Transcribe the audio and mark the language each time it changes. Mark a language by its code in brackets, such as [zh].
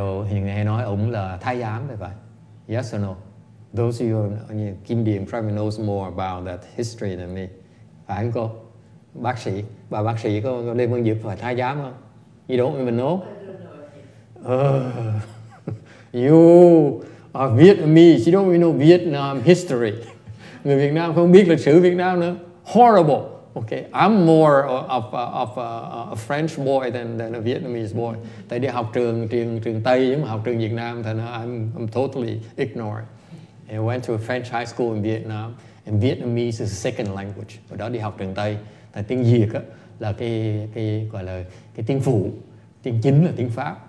[vi] Nghe nói ông là Thái giám vậy. [en] Yes or no? Those of you Kim Điền probably knows more about that history than me. [vi] Phải không cô? Bác sĩ, bà bác sĩ có Lê Văn Duyệt phải Thái giám không? [en] You don't even know? You are Vietnamese. You don't even know Vietnam history. [vi] Người Việt Nam không biết lịch sử Việt Nam nữa. [en] Horrible. Okay, I'm more of a French boy than a Vietnamese boy. [vi] Tại đi học trường Tây mà học trường Việt Nam, thành [en] I'm totally ignorant. And I went to a French high school in Vietnam, and Vietnamese is a second language. [vi] Ở đó đi học trường Tây, thành tiếng Việt á là cái tiếng phụ, tiếng chính là tiếng Pháp.